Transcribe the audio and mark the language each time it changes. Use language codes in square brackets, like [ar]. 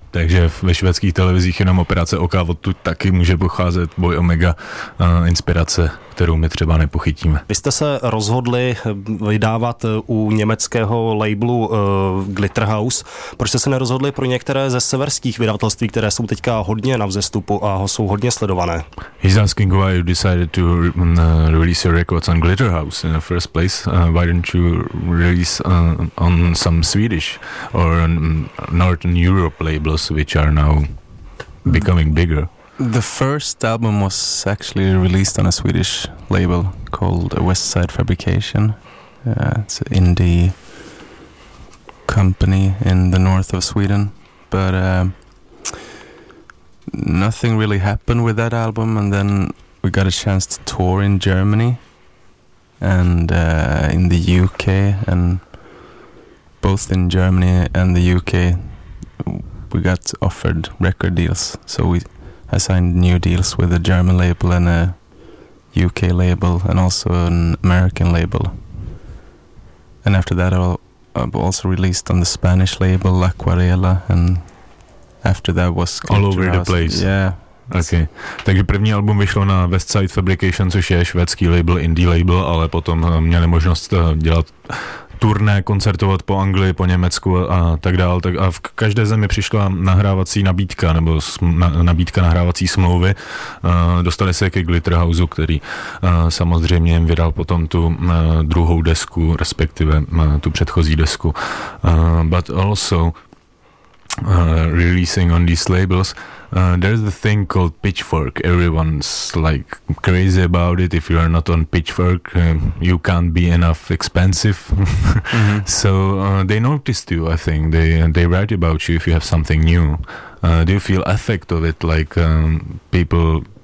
[cs] Takže ve švédských televizích jenom operace oka, odtud taky může pocházet Boy Omega inspirace, kterou my třeba nepochytíme. Vy jste se rozhodli vydávat u německého labelu Glitterhouse. Proč jste se nerozhodli pro některé ze severských vydavatelství, které jsou teďka hodně na vzestupu a jsou hodně sledované? [en] He's asking why you decided to release your records on Glitterhouse in the first place. Why didn't you release on some Swedish or Northern Europe labels, which are now becoming bigger? The first album was actually released on a Swedish label called West Side Fabrication. It's an indie company in the north of Sweden. But nothing really happened with that album. And then we got a chance to tour in Germany and in the UK. And both in Germany and the UK, we got offered record deals. So we signed new deals with a German label and a UK label and also an American label. And after that, I also released on the Spanish label, Aquarela, and after that was all over the place. Yeah. Okay. [cs] Takže první album vyšlo na Westside Fabrication, což je švédský label, indie label, ale potom měli možnost dělat turné, koncertovat po Anglii, po Německu a tak dále. A v každé zemi přišla nahrávací nabídka nebo nabídka nahrávací smlouvy. Dostali se ke Glitterhouse, který samozřejmě jim vydal potom tu druhou desku, respektive tu předchozí desku. [en] But also releasing on these labels, there's a thing called Pitchfork. Everyone's like crazy about it. If you are not on Pitchfork, you can't be enough expensive. Mm-hmm. So they noticed you, I think. They write about you if you have something new. Do you feel effect of it? Like people